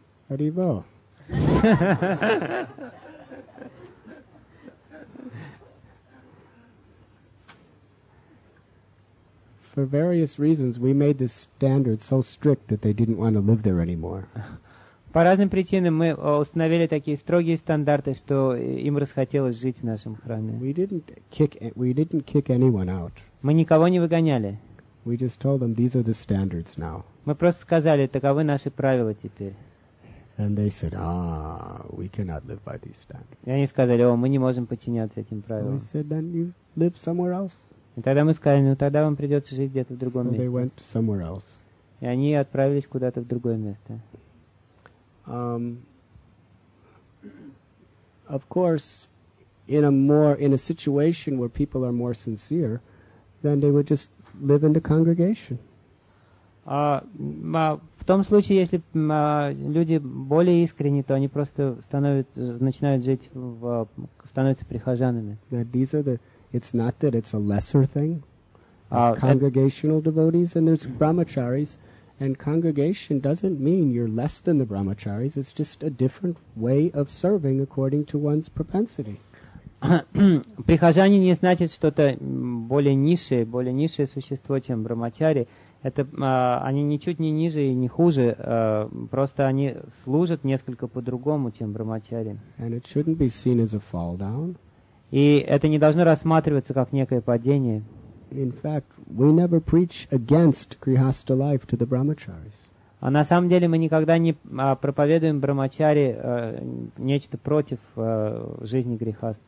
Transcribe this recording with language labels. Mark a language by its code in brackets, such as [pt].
[en] Haribo. For various reasons, we made this standard so strict that they didn't want to live there anymore. [ru] По разным причинам мы установили такие строгие стандарты, что им расхотелось жить в нашем храме. [en] We didn't kick anyone out. [ru] Мы никого не выгоняли. [en] We just told them these are the standards now. [ru] Мы просто сказали, таковы наши правила теперь. [en] And they said, ah, we cannot live by these standards. [ru] И они сказали, о, мы не можем подчиняться этим правилам. [en] So we said, then you live somewhere else. [ru] И тогда мы сказали, ну тогда вам придется жить где-то в другом месте. [en] They went somewhere else. [ru] И они отправились куда-то в другое место. [en] Of course, in a situation where people are more sincere, then they would just live in the congregation. [ru] В том случае, если люди более искренни, то они просто становятся прихожанами. [en] It's not that it's a lesser thing. There's congregational devotees and there's brahmacharis. And congregation doesn't mean you're less than the brahmacharis. It's just a different way of serving according to one's propensity. [ru] Прихожане не значит что-то более низшее существо, чем брахмачари. Это они ничуть не ниже и не хуже. Просто они служат несколько по-другому, чем брахмачари. [en] And it shouldn't be seen as a fall down. [ru] И это не должно рассматриваться как некое падение. [en] In fact, we never preach against grihastha life to the brahmacharis. [ru] А на самом деле мы никогда не проповедуем брахмачари нечто против жизни грихаст.